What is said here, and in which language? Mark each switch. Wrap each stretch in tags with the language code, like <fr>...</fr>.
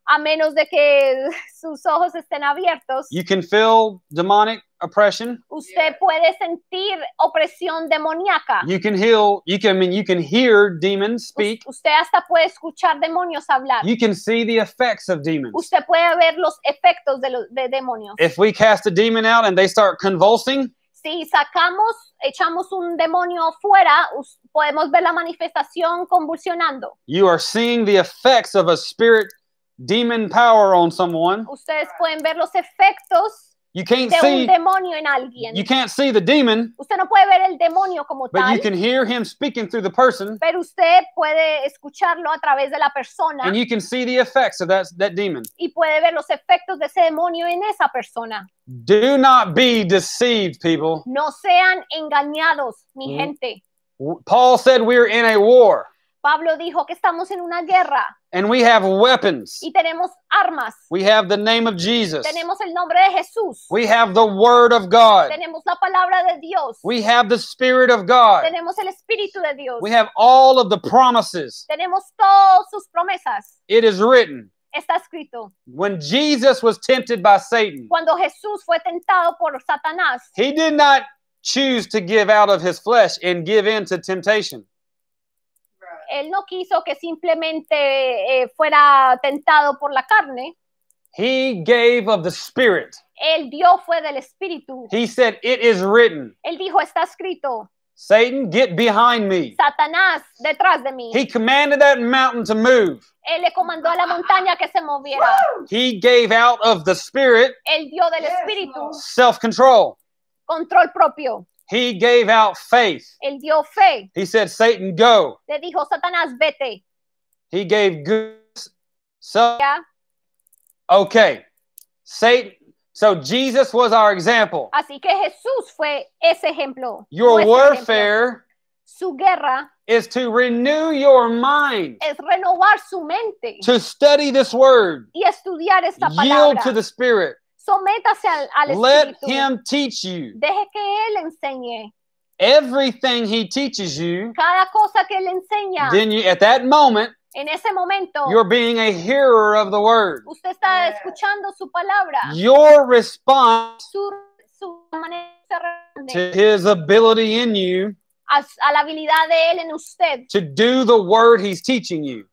<es>A menos de que sus ojos estén abiertos.</es> <en>You can feel demonic oppression.</en> <es>Usted puede sentir opresión demoníaca.</es> <en>You can heal. You can hear demons speak.</en> <es>Usted hasta puede escuchar demonios hablar.</es> <en>You can see the effects of demons.</en> <es>Usted puede ver los efectos de demonios.</es> <en>If we cast a demon out and they start convulsing.</en> <es>Si echamos un demonio fuera, podemos ver la manifestación convulsionando.</es> <en>You are seeing the effects of a spirit demon power on someone.</en> <es>Ustedes pueden ver los efectos.</es> <en>You can't</en> <es>de</es> <en>see</en> <es>un demonio en alguien.</es> <en>You can't see the demon.</en> <es>Usted no puede ver el demonio como</es> <en>but</en> <es>tal.</es> <en>But you can hear him speaking through the person.</en> <es>Pero usted puede escucharlo a través de la persona.</es> <en>And you can see the effects of that demon.</en> <es>Y puede ver los efectos de ese demonio en esa persona.</es> <en>Do not be deceived, people.</en> <es>No sean engañados, mi gente.</es> <en>Paul said we're in a war.</en> <es>Pablo dijo que estamos en una guerra.</es> <en>And we have weapons.</en> <es>Y tenemos armas.</es> <en>We have the name of Jesus.</en> <es>Tenemos el nombre de Jesús.</es> <en>We have the word of God.</en> <es>Tenemos la palabra de Dios.</es> <en>We have the spirit of God.</en> <es>Tenemos el espíritu de Dios.</es> <en>We have all of the promises.</en> <es>Tenemos todas sus promesas.</es> <en>It is written.</en> <es>Está escrito.</es> <en>When Jesus was tempted by Satan.</en> <es>Cuando Jesús fue tentado por Satanás.</es> <en>He did not choose to give out of his flesh and give in to temptation.</en> <es>Él no quiso que simplemente fuera tentado por la carne.</es> <en>He gave of the Spirit.</en> <es>Él dio fue del Espíritu.</es> <en>He said, it is written.</en> <es>Él dijo, está escrito.</es> <en>Satan, get behind me.</en> <es>Satanás, detrás de mí.</es> <en>He commanded that mountain to move.</en> <es>Él le comandó a la montaña que se moviera.</es> <en>He gave out of the Spirit.</en> <es>Él dio del Espíritu.</es> <en>Self-control.</en> <es>Control propio.</es> <en>He gave out faith.</en> <es>Él dio fe.</es> <en>He said, Satan, go.</en> <es>Le dijo, Satanás, vete.</es> <en>He gave good. So, yeah. Okay. Satan. So Jesus was our example.</en> <es>Así que Jesús fue ese ejemplo.</es> <en>Your warfare.</en> <es>Su guerra.</es> <en>Is to renew your mind.</en> <es>Es renovar su mente.</es> <en>To study this word.</en> <es>Y estudiar esta palabra.</es> <en>Yield to the Spirit.</en> <es>Sométase al Espíritu.</es> <en>Let him teach you.</en> <es>Deje que él enseñe.</es> <en>Everything he teaches you.</en> <es>Cada cosa que él enseña.</es> <en>Then you, at that moment.</en> <es>En ese momento,</es> <en>you're being a hearer of the word.</en> <es>Usted está escuchando su palabra.</es> <en>Your response</en> <es>su manera</es> <en>to his ability in you</en> <es>a la habilidad de él en usted,</es> <en>to do the word he's teaching you.</en>